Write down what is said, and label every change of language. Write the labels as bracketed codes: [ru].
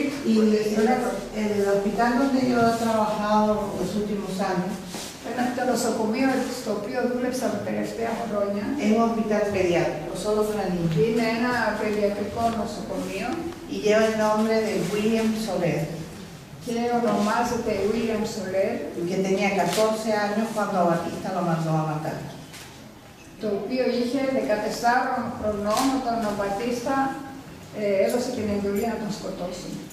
[es] Y el hospital donde yo he trabajado los últimos años. [el] Ένα από τα νοσοκομεία στο οποίο δούλεψα τα τελευταία χρόνια. Είναι ένα [es] hospital pediátrico, solo para niños. [el] Είναι ένα παιδιατρικό νοσοκομείο. [es] Y lleva el nombre de William Soler. [el] Και ονομάζεται William Soler. [es] Que tenía 14 años cuando Batista lo mandó a matar. [el] Το οποίο είχε 14 χρονών όταν ο Batista έδωσε την εντολή να τον σκοτώσει.